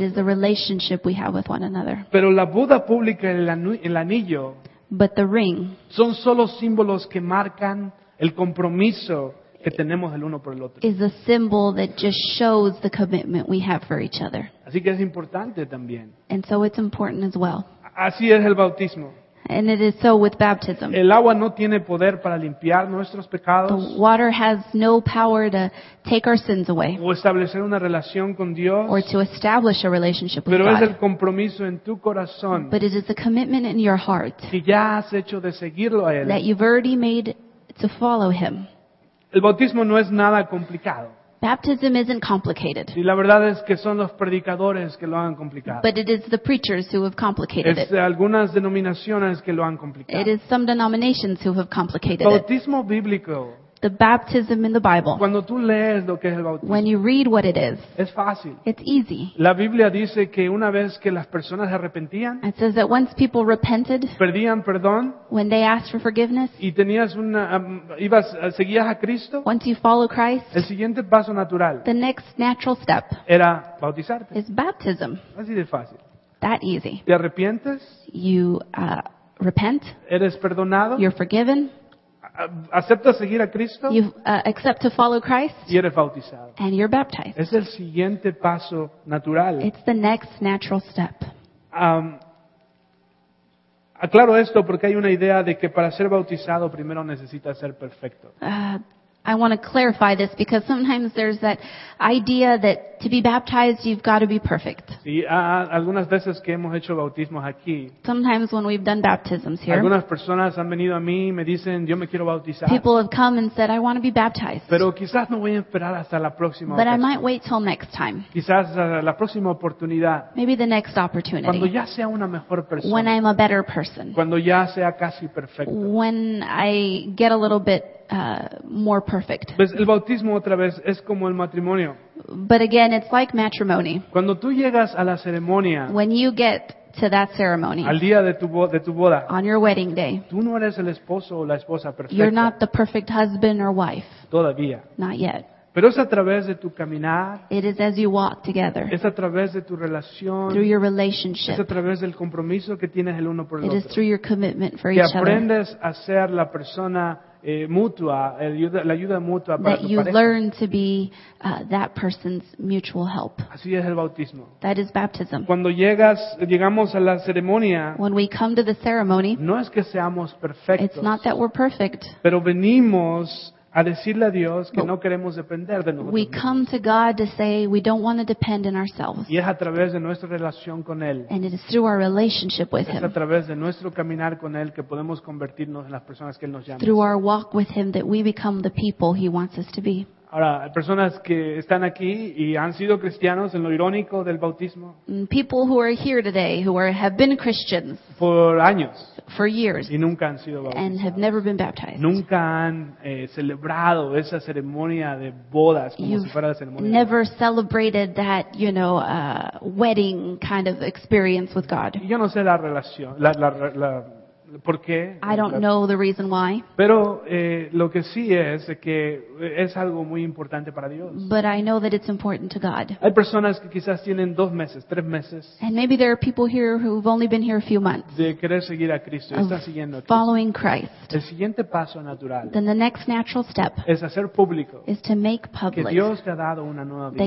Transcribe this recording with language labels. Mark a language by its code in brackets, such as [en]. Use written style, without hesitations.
[en] It is the relationship we have with one another. [es] Pero la boda pública y el anillo. [en] But the ring. [es] Son solo símbolos que marcan el compromiso que tenemos el uno por el otro. [en] Is a symbol that just shows the commitment we have for each other. [es] Así que es importante también. [en] And so it's important as well. [es] Así es el bautismo. [en] And it is so with baptism. [es] El agua no tiene poder para limpiar nuestros pecados. [en] The water has no power to take our sins away. [es] O establecer una relación con Dios. [en] Or to establish a relationship with God. [es] Pero es el compromiso en tu corazón. [en] But it is a commitment in your heart. [es] Que ya has hecho de seguirlo a él. [en] That you've already made to follow him. [es] El bautismo no es nada complicado. [en] Baptism isn't complicated. [es] Y la verdad es que son los predicadores que lo han complicado. [en] But it is the preachers who have complicated it. [es] Es algunas denominaciones que lo han complicado. [en] It is some denominations who have complicated it. [es] Bautismo bíblico. [en] The baptism in the Bible. [es] Cuando tú lees lo que es el bautismo. [en] When you read what it is. [es] Es fácil. [en] It's easy. [es] La Biblia dice que una vez que las personas se arrepentían. [en] It says that once people repented. [es] Pedían perdón. [en] When they asked for forgiveness. [es] Y tenías una, ibas, seguías a Cristo. [en] Once you follow Christ. [es] El siguiente paso natural. [en] The next natural step. [es] Era bautizarte. [en] Is baptism. [es] Así de fácil. [en] That easy. [es] Te arrepientes. [en] You repent. [es] Eres perdonado. [en] You're forgiven. [es] ¿Acepta seguir a Cristo? [en] You accept to follow Christ. [es] Y eres bautizado. [en] And you're baptized. [es] Es el siguiente paso natural. [en] It's the next natural step. [es] Aclaro esto porque hay una idea de que para ser bautizado primero necesitas ser perfecto. [en] I want to clarify this because sometimes there's that idea that to be baptized you've got to be perfect. [es] Sí, algunas veces que hemos hecho bautismos aquí. [en] Sometimes when we've done baptisms here. [es] Algunas personas han venido a mí y me dicen, "Yo me quiero bautizar." [en] People have come and said, "I want to be baptized." [es] Pero quizás no voy a esperar hasta la próxima. [en] But I might wait till next time. [es] Quizás la próxima oportunidad. [en] Maybe the next opportunity. [es] Cuando ya sea una mejor persona. [en] When I'm a better person. [es] Cuando ya sea casi perfecto. [en] When I get a little bit more perfect. [es] Pues el bautismo otra vez es como el matrimonio. [en] But again, it's like matrimony. [es] Cuando tú llegas a la ceremonia, [en] when you get to that ceremony, [es] al día de tu boda, [en] on your wedding day, [es] tú no eres el esposo o la esposa perfecta. [en] You're not the perfect husband or wife. [es] Todavía. [en] Not yet. [es] Pero es a través de tu caminar. [en] It is as you walk together. [es] Es a través de tu relación. [en] Through your relationship. [es] Es a través del compromiso que tienes el uno por el otro. [en] It is through your commitment for each other. [es] Que aprendes a ser la persona mutua, la ayuda mutua para [en] that [es] tu [en] you [es] pareja. [en] Learn to be that person's mutual help. [es] Así es el bautismo. [en] That is baptism. [es] Cuando llegamos a la ceremonia, [en] when we come to the ceremony, [es] no es que seamos perfectos. [en] It's not that we're perfect. [es] Pero venimos a decirle a Dios que no queremos depender de nosotros. [en] We come to God to say we don't want to depend in ourselves. [es] Y es a través de nuestra relación con él. [en] And it is through our relationship with him. [es] Es a través de nuestro caminar con él que podemos convertirnos en las personas que él nos llama. [en] Through our walk with him that we become the people he wants us to be. [es] Ahora, hay personas que están aquí y han sido cristianos en lo irónico del bautismo. [en] People who are here today who are, have been Christians. [es] Por años. [en] For years. [es] Y nunca han sido bautizados. [en] And have never been baptized. [es] Nunca han celebrado esa ceremonia de bodas como [en] You've [es] si fuera la ceremonia. [en] Never celebrated that, you know, wedding kind of experience with God. [es] Yo no sé la relación, ¿por qué? [en] I don't know the reason why. [es] Pero lo que sí es que es algo muy importante para Dios. [en] But I know that it's important to God. [es] Hay personas que quizás tienen 2 meses, 3 meses. [en] And maybe there are people here who've only been here a few months. [es] De querer seguir a Cristo, están siguiendo a Cristo. [en] Following Christ. [es] El siguiente paso natural. [en] Then the next natural step. [es] Es hacer público. [en] Is to make public. [es] Que Dios te ha dado una nueva vida.